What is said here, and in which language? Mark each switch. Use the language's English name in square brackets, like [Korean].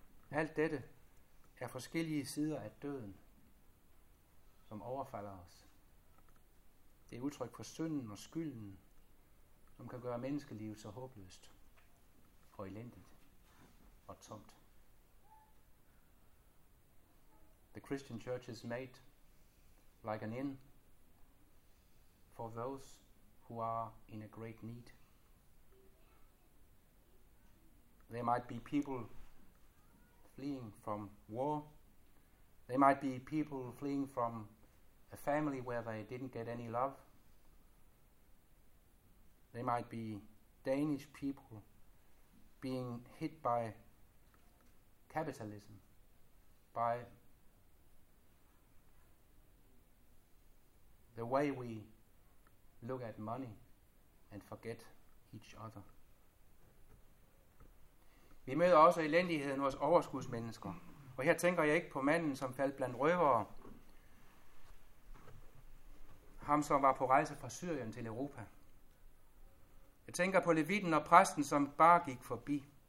[Danish] Alt dette er forskellige sider af døden, som overfalder os. Det er udtryk for synden og skylden, som kan gøre menneskelivet så håbløst og elendigt og tomt. [English] The Christian Church is made like an inn for those who are in a great need. There might be people fleeing from war. They might be people fleeing from a family where they didn't get any love. They might be Danish people being hit by capitalism, by the way we look at money and forget each other. [Danish] Vi møder også elendigheden hos overskudsmennesker. Og her tænker jeg ikke på manden, som faldt blandt røvere. Ham, som var på rejse fra Syrien til Europa. Jeg tænker på levitten og præsten, som bare gik forbi.